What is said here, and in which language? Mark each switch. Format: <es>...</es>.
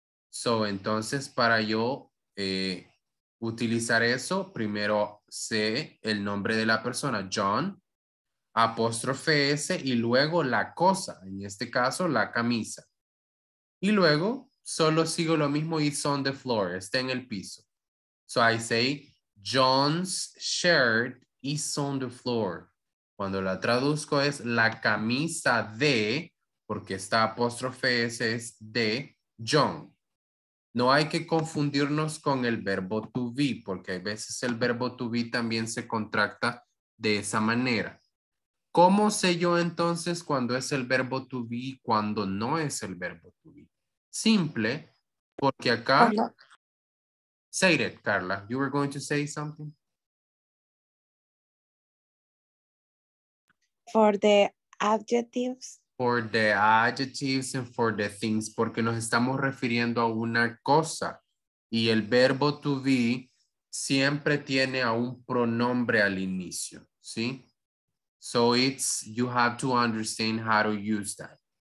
<es>So, entonces para yo utilizar eso, primero sé el nombre de la persona, John, apóstrofe S y luego la cosa, en este caso la camisa. Y luego solo sigo lo mismo,</es> <en>it's on the floor,</en> <es>está en el piso.</es> <en>So I say, John's shirt is on the floor.</en> <es>Cuando la traduzco es la camisa de, porque está apóstrofe S, es de John. No hay que confundirnos con el verbo to be, porque a veces el verbo to be también se contracta de esa manera. ¿Cómo sé yo entonces cuando es el verbo to be y cuando no es el verbo to be? Simple, porque acá...</es> <en>Say it, Carla. You were going to say something? For the adjectives. For the adjectives and for the things.</en> <es>Porque nos estamos refiriendo a una cosa. Y el verbo to be siempre tiene a un pronombre al inicio. ¿Sí?</es> <en>So it's, you have to understand how to use that.</en>